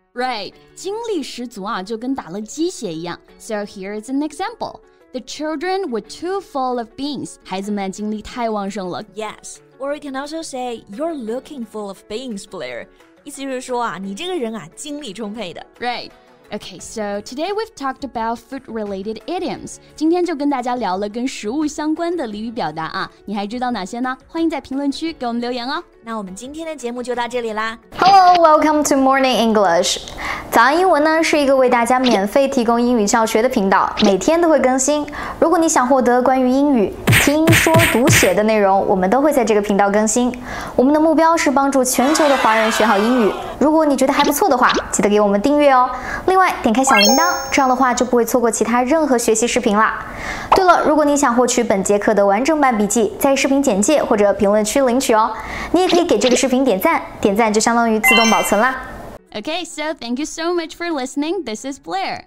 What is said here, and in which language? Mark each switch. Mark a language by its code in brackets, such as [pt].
[zh] Right, 精力十足啊，就跟打了鸡血一样。 [en] So here is an example. The children were too full of beans. [zh] 孩子们精力太旺盛了。 [en] Yes, or you can also say, you're looking full of beans, Blair. [zh] 意思就是说啊，你这个人啊，精力充沛的。 [en] Right. Okay, so today we've talked about food-related idioms. [zh] 今天就跟大家聊了跟食物相关的俚语表达啊。你还知道哪些呢？欢迎在评论区给我们留言哦。那我们今天的节目就到这里啦。 [en] Hello, welcome to Morning English. [zh] 早安英文呢，是一个为大家免费提供英语教学的频道，每天都会更新。如果你想获得关于英语听说读写的内容，我们都会在这个频道更新。我们的目标是帮助全球的华人学好英语。如果你觉得还不错的话，记得给我们订阅哦。另外，点开小铃铛，这样的话就不会错过其他任何学习视频啦。对了，如果你想获取本节课的完整版笔记，在视频简介或者评论区领取哦。你也可以给这个视频点赞，点赞就相当于自动保存啦。 [en] Okay, so thank you so much for listening. This is Blair.